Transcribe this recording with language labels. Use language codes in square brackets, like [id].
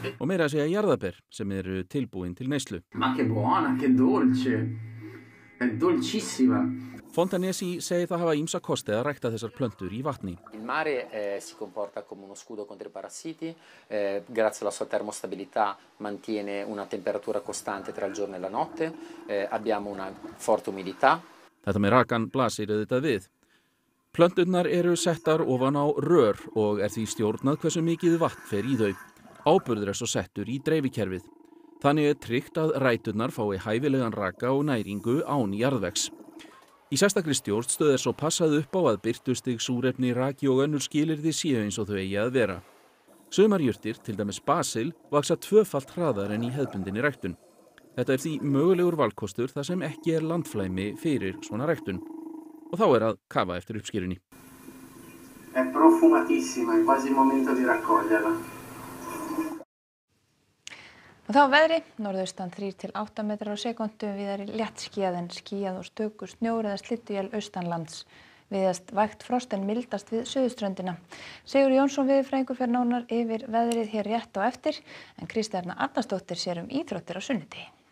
[is] Og meira að segja jarðaber sem eru tilbúin til neyslu. [it] Ma che buona, che dolce, è dolcissima. [is] Fontanesi segir það hafa ýmsa kosti að rækta þessar plöntur í vatni. [it] Il mare si comporta come uno scudo contro i parassiti, grazie alla sua termostabilità mantiene una temperatura costante tra il giorno e la notte, abbiamo una forte umidità. [is] Þetta með rakan blasir auðvitað við. Plönturnar eru settar ofan á rör og því stjórnað hversu mikið vatn fer í þau. Áburður svo settur í dreifikerfið. Þannig tryggt að ræturnar fái hæfilegan raka og næringu án jarðvegs. Í sérstakri stjórn stöð svo passað upp á að birtustig súrefni raki og önnur skilyrði séu eins og þau eigi að vera. Sumarjurtir, til dæmis basil, vaxa tvöfalt hraðar en í hefðbundinni ræktun. Þetta því mögulegur valkostur þar sem ekki landflæmi fyrir svona ræktun. Og þá að kafa eftir uppskýrunni. [it] En profumatissima, er quasi momento di raccoglierla. [is] Og þá veðri, norðaustan 3-8 metrar á sekundu, við erum léttskýjað en skýjað og stöku snjór eða slydduél austanlands. Viðast vægt frost en mildast við suðurströndina. Sigur Jónsson veðurfræðingur fer nánar yfir veðrið hér rétt á eftir, en Kristi Erna Arnarsdóttir sér íþróttir á sunnudegi.